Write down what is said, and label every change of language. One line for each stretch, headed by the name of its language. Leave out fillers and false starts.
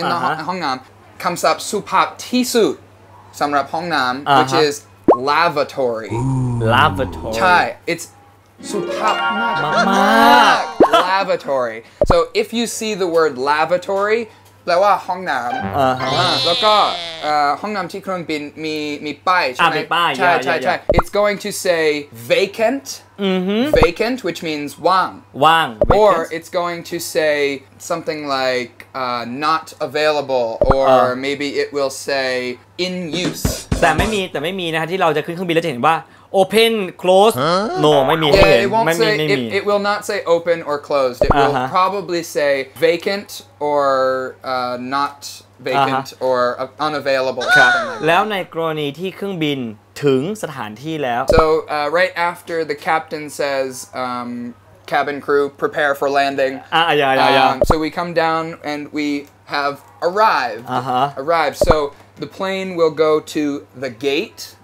English: in the
Thai: ห้องน้ำคำศัพท์สุภาพที่สุดสำหรับห้องน้ำ
English: which is lavatory
Thai: ใช่
English: it's
Thai: สุภาพมาก
English: lavatory so if you see the word lavatory
Thai: แปลว่าห้องน้ำแล้วก็ห้องน้ำที่เครื่องบินมีป้ายใช่ไหม มีป้าย
English: ใช่ it's going to say vacant which means ว่าง or it's going to say something like not available or maybe it will say in use
Thai: แต่ไม่มีนะที่เราจะขึ้นเครื่องบินแล้วจะเห็นว่า
English: open close no
Thai: ไม่มี
English: it will not say open or closed it will probably say vacant or not vacant or unavailable
Thai: แล้วในกรณีที่เครื่องบินถึงสถานที่แล้ว
English: so right after the captain says cabin crew prepare for landing so we come down and we have arrived soThe plane will go to the gate.